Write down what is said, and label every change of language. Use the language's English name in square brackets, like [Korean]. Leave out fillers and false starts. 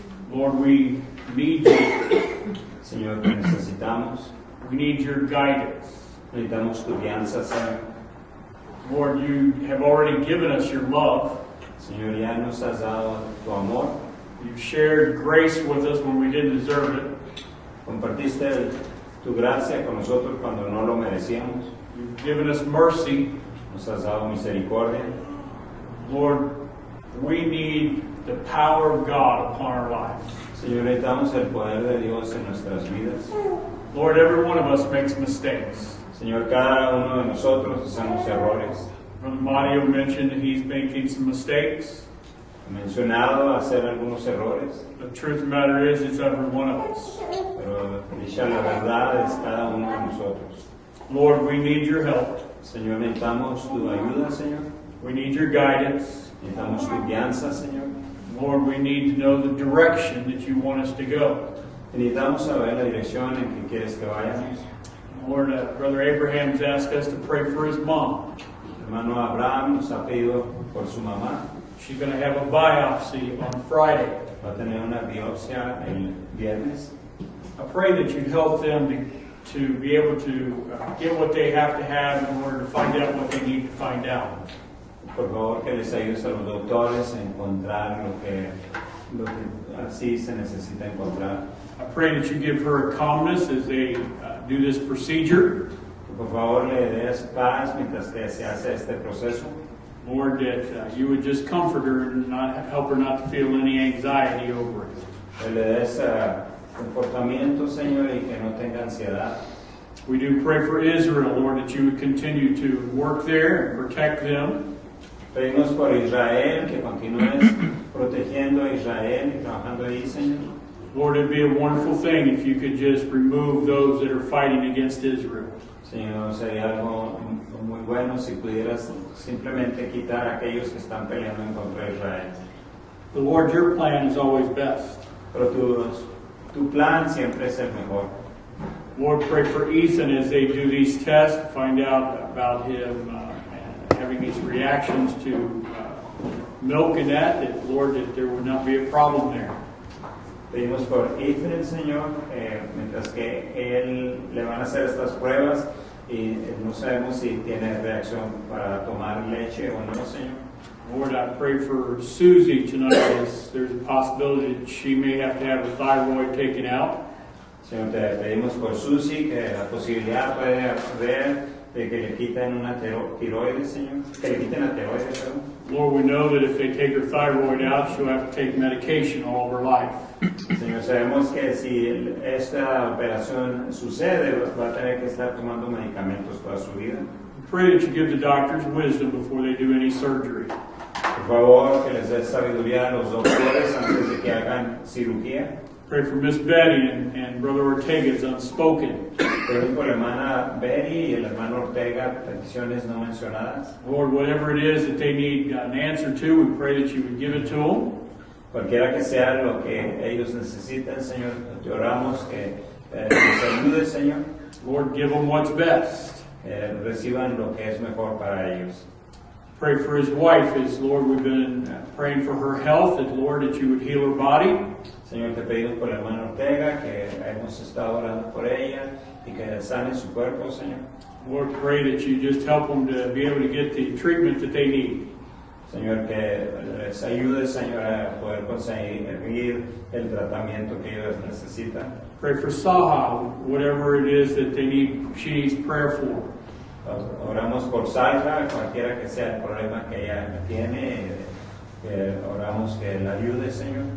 [English] Lord, we need you. [Spanish] Señor, te necesitamos. [English] We need your guidance. [Spanish] Necesitamos tu guianza, Señor. [English] Lord, you have already given us your love. [Spanish] Señor, ya nos has dado tu amor. [English] You've shared grace with us when we didn't deserve it. [Spanish] Compartiste tu gracia con nosotros cuando no lo merecíamos. [English] You've given us mercy. [Spanish] Nos has dado misericordia. [English] Lord, we need the power of God upon our lives. [Spanish] Señor, necesitamos el poder de Dios en nuestras vidas. [English] Lord, every one of us makes mistakes. [Spanish] Señor, cada uno de nosotros hacemos errores. [English] Brother Mario mentioned he's making some mistakes. [Spanish] He mencionado hacer algunos errores. [English] The truth of the matter is, it's every one of us. [Spanish] Pero dicha la verdad es cada uno de nosotros. [English] Lord, we need your help. [Spanish] Señor, necesitamos tu ayuda, Señor. [English] We need your guidance. [Spanish] Necesitamos tu guianza, Señor. [English] Lord, we need to know the direction that you want us to go. [Spanish] Necesitamos saber la dirección en que quieres que vayamos. [English] Lord, Brother Abraham's asked us to pray for his mom. [Spanish] Hermano Abraham nos ha pedido por su mamá. [English] She's going to have a biopsy on Friday. [Spanish] Va a tener una biopsia el viernes. [English] I pray that you'd help them to be able to get what they have to have in order to find out what they need to find out. [Spanish] Por favor, que les ayudes a los doctores a encontrar lo que así se necesita encontrar. [English] I pray that you give her a calmness as they do this procedure. [Spanish] Por favor, le des paz mientras que se hace este proceso. [English] Lord, that you would just comfort her and not help her not to feel any anxiety over it. [Spanish] Que le des comportamiento, Señor, y que no tenga ansiedad. [English] We do pray for Israel, Lord, that you would continue to work there and protect them. [Spanish] Pedimos por Israel, que continúes protegiendo a Israel y trabajando ahí, Señor. [English] Lord, it would be a wonderful thing if you could just remove those that are fighting against Israel. [Spanish] Señor, sería algo muy bueno si pudieras simplemente quitar a aquellos que están peleando en contra de Israel. [English] The Lord, your plan is always best. [Spanish] Pero tu plan siempre es el mejor. [English] Lord, pray for Ethan as they do these tests, find out about him having these reactions to milk and that, Lord, that there would not be a problem there. [Spanish] Pedimos por Ethan, Señor, mientras que él le van a hacer estas pruebas y no sabemos si tiene reacción para tomar leche o no, Señor. [English] Lord, I pray for Susie tonight. There's a possibility that she may have to have a thyroid taken out. [Spanish] Señor, te pedimos por Susie que la posibilidad puede haber de que le quiten una tiroides, Señor. Que le quiten la tiroides, perdón. [English] Lord, we know that if they take her thyroid out, she'll have to take medication all of her life. [Spanish] Señor, sabemos que si esta operación sucede, va a tener que estar tomando medicamentos toda su vida. [English] Pray that you give the doctors wisdom before they do any surgery. [Spanish] favor, que les dé sabiduría a los doctores antes de que hagan cirugía. [English] Pray for Miss Betty and Brother Ortega's unspoken. Pray [Spanish] por hermana Betty y el hermano Ortega, peticiones no mencionadas. [English] Lord, whatever it is that they need an answer to, we pray that you would give it to them. [Spanish] Cualquiera que sea lo que ellos necesiten, Señor, te oramos que les ayude, Señor. [English] Lord, give them what's best. [Spanish] Reciban lo que es mejor para ellos. [English] Pray for his wife, as Lord, we've been praying for her health, and Lord, that you would heal her body. [Spanish] Señor, te pedimos por la hermana Ortega, que hemos estado orando por ella, y que sane su cuerpo, Señor. [English] Lord, pray that you just help them to be able to get the treatment that they need. [Spanish] Señor, que les ayude, Señor, a poder conseguir el tratamiento que ellos necesitan. [English] Pray for Saha, whatever it is that they need, she needs prayer for. [Spanish] Oramos por Saha, cualquiera que sea el problema que ella tiene, que oramos que la ayude, Señor.